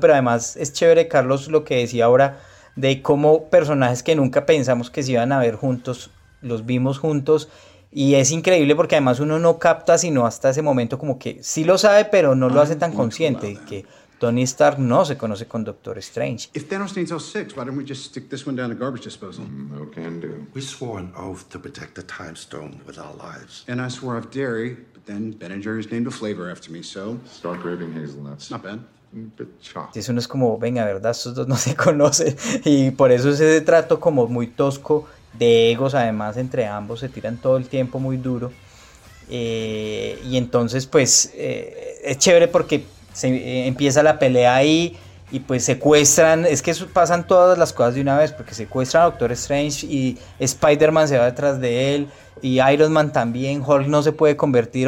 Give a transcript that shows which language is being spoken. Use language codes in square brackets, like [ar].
[es] Pero además es chévere, Carlos, lo que decía ahora, de cómo personajes que nunca pensamos que se iban a ver juntos, los vimos juntos, y es increíble porque además uno no capta sino hasta ese momento, como que sí lo sabe, pero no lo hace tan consciente, que Tony Stark no se conoce con Doctor Strange. [en] If Thanos needs all six, why don't we just stick this one down a garbage disposal? No can do. We swore an oath to protect the Time Stone with our lives. And I swore off dairy, but then Benninger has named a flavor after me, so. Start craving hazelnuts. Not bad. But chocolate. [es] Eso no es como, venga, verdad, estos dos no se conocen, y por eso ese trato como muy tosco de egos, además entre ambos se tiran todo el tiempo muy duro, y entonces pues es chévere porque Se empieza la pelea ahí y pues secuestran, es que pasan todas las cosas de una vez, porque secuestran a Doctor Strange y Spider-Man se va detrás de él y Iron Man también, Hulk no se puede convertir.